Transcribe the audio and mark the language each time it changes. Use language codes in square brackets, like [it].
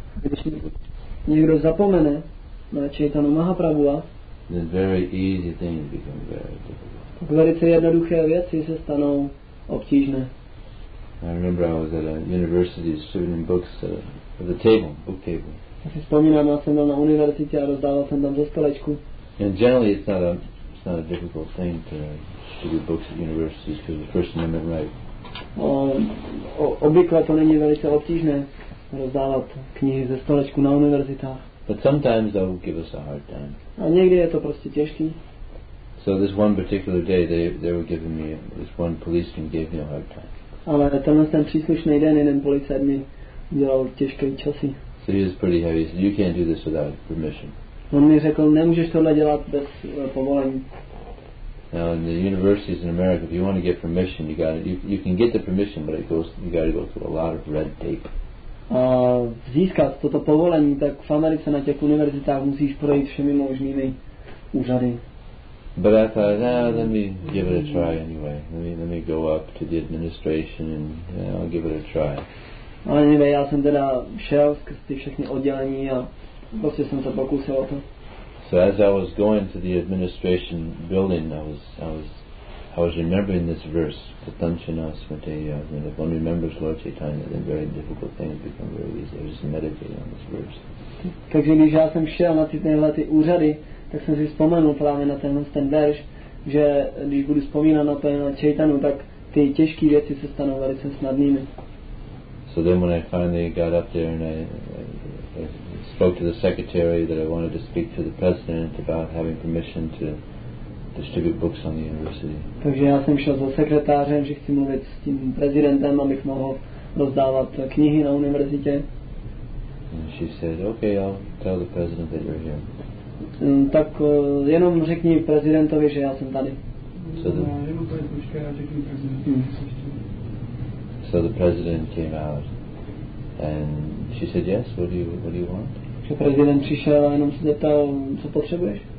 [cs] když někdo zapomene na Chaitanya Mahaprabhu, [en] then very easy things become very difficult. [cs] Tak velice jednoduché věci se stanou obtížné. [en] I remember I was at a university distributing books at the table, book table. [cs] Já si vzpomínám, já jsem byl na univerzitě a rozdával jsem tam ze stolečku. [en] And generally it's not a difficult thing to distribute books at universities because the First Amendment right. [cs] Obvykle to není velice obtížné rozdávat knihy ze stolečku na univerzitách. [en] But sometimes they will give us a hard time. [cs] A někdy je to prostě těžký. [en] So this one particular day they were giving me, this one policeman gave me a hard time. [cs] Ale tenhle ten příslušný den, jeden policajt mi dělal těžké časy. [en] So he was pretty heavy. He said, you can't do this without permission. [cs] On mi řekl, nemůžeš tohle dělat bez povolení. [en] Now in the universities in America, if you want to get permission, you can get the permission, but you got to go through a lot of red tape. [cs] A získat toto povolení, tak v Americe na těch univerzitách musíš projít všemi možnými úřady. [en] But I thought, let me give it a try anyway. Let me go up to the administration and I'll give it a try. [cs] Ale anyway, já jsem teda šel skrz ty všechny oddělení a prostě jsem se pokusil o to. [en] So as I was going to the administration building, I was remembering this verse, Tatanchana Smateya, and if one remembers Lord Chaitanya, then very difficult things become very easy. I was meditating on this verse. [cs] Takže když já jsem šel na tyhle ty úřady, tak jsem si vzpomenul právě na tenhle ten verš, že když budu vzpomínat na to na Chaitanu, tak ty těžké věci se stanou velice snadnými. [en] So then when I finally got up there and I spoke to the secretary that I wanted to speak to the president about having permission to distribute books on the university. [cs] Takže já jsem šel za sekretářem, že chci mluvit s tím prezidentem, abych mohl rozdávat knihy na univerzitě. [en] And she said, okay, I'll tell the president that you're here. [cs] Tak jenom řekni prezidentovi, že já jsem tady. [en] So the president came out and she said, yes, what do you want? [cs] Že prezident přišel a jenom se zeptal, co potřebuješ?